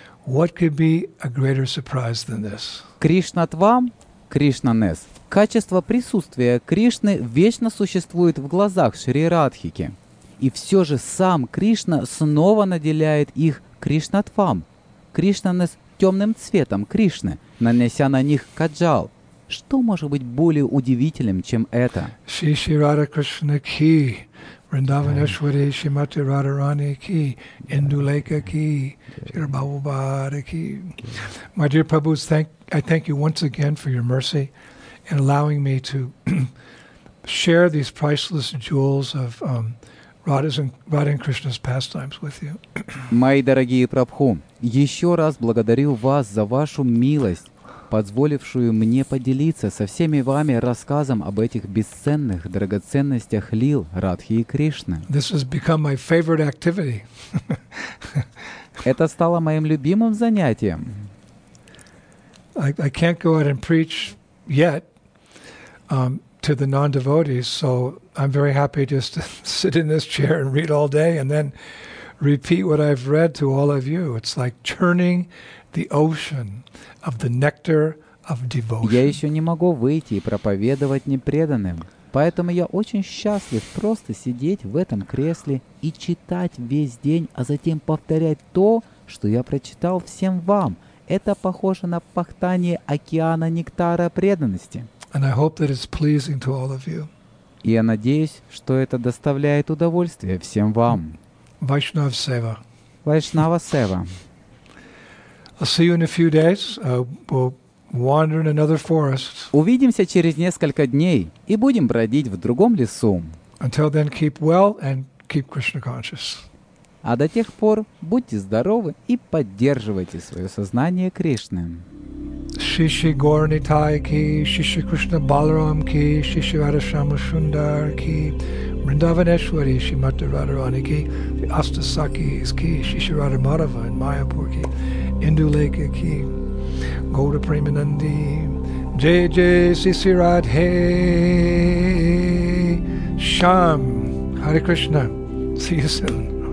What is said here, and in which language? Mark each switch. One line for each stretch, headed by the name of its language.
English: What could be a greater surprise than this?
Russian: Кришнатвам, Кришна-ness, качество присутствия Кришны вечно существует в глазах Шри Радхики. И все же сам Кришна снова наделяет их Кришнатвам, Кришна-ness, темным цветом Кришны, нанеся на них каджал. Что может быть более удивительным, чем это? Шри Радха Кришна ки, Вриндаванешвари, Шримати Радхарани ки, Индулека ки, Шри Бхавабхада ки.
English: My dear Prabhus, I thank you once again for your mercy in allowing me to share these priceless jewels of Radha and Krishna's pastimes with you.
Russian: Мои дорогие Прабху, еще раз благодарю вас за вашу милость, позволившую мне поделиться со всеми вами рассказом об этих бесценных драгоценностях лил Радхи и Кришны.
English: This has become my favorite activity.
Russian: Это стало моим любимым занятием.
English: I can't go out and preach yet to the non-devotees, so I'm very happy just to sit in this chair and read all day and then repeat what I've read to all of you. It's like churning the ocean of the nectar of devotion.
Russian: Я еще не могу выйти и проповедовать непреданным, поэтому я очень счастлив просто сидеть в этом кресле и читать весь день, а затем повторять то, что я прочитал всем вам. Это похоже на пахтание океана нектара преданности.
English: And I hope that it's pleasing to all of you.
Russian: И я надеюсь, что это доставляет удовольствие всем вам.
Sanskrit: Vaishnava Seva. Vaishnava Seva.
English: I'll see you in a few days. We'll wander in another forest.
Russian: Увидимся через несколько дней и будем бродить в другом лесу.
English: Until then, keep well and keep Krishna conscious.
Russian: А до тех пор будьте здоровы и поддерживайте свое сознание Кришны.
English: Shishi Gorni Tai ki, Shishi Krishna Balaram ki, Shishi Radhashama Shundar ki, Vrindavaneshwari Shimata Radharani ki, Astasaki is ki, Shishi Radha Madhava in Mayapur ki, Induleka ki, Gaura Premanandi, Jai Jai Sisi Radhe Sham, Hare Krishna, see you soon.